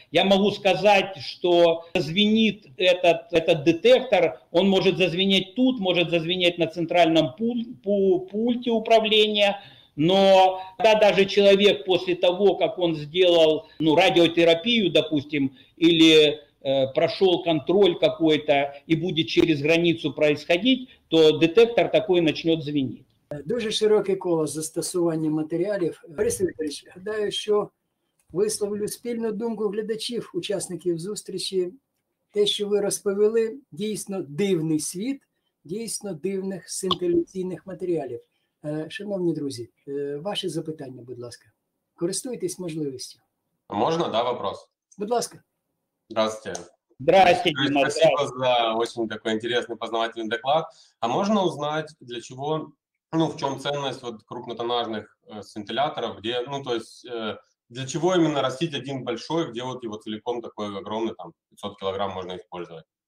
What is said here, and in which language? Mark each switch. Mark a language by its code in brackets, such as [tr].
[ru] Я могу сказать, что зазвенит этот детектор, он может зазвенеть тут, может зазвенеть на центральном пульте управления. Но когда даже человек после того, как он сделал, ну, радиотерапию, допустим, или прошел контроль какой-то и будет через границу происходить, то детектор такой начнет звенеть. [uk] Дуже широке коло застосування матеріалів. Борис Вікторович, гадаю, що висловлю спільну думку глядачів, учасників зустрічі. Те, що ви розповіли, дійсно дивний світ, дійсно дивних синтеляційних матеріалів. Шановні друзі, ваші запитання, будь ласка. Користуйтесь можливістю. [ru] Можна, да, вопрос? [uk] Будь ласка. [ru] Здравствуйте. Здравствуйте, Дима. Спасибо за очень такой интересный познавательный доклад. А можно узнать, для чего, ну, в чем ценность вот крупнотоннажных сентиляторов, где, ну, то есть, для чего именно растить один большой, где вот его целиком такой огромный, там, 500 килограмм можно использовать?